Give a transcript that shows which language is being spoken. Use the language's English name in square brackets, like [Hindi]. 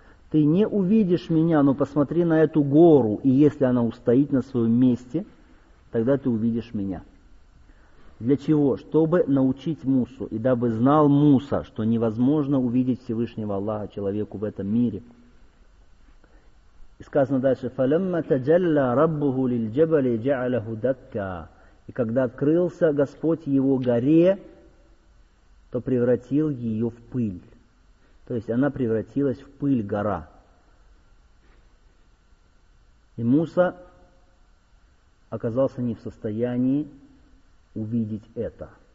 [Russian] «Ты не увидишь меня, но посмотри на эту гору, и если она устоит на своем месте, тогда ты увидишь меня». Для чего? Чтобы научить Мусу, и дабы знал Муса, что невозможно увидеть Всевышнего Аллаха человеку в этом мире. И сказано дальше, [Arabic] فَلَمَّ تَجَلَّ رَبُّهُ لِلْجَبَلِ جَعَلَهُ دَكَّا. [Russian] И когда открылся Господь его горе, то превратил ее в пыль. То есть она превратилась в пыль, гора. И Муса оказался не в состоянии увидеть это.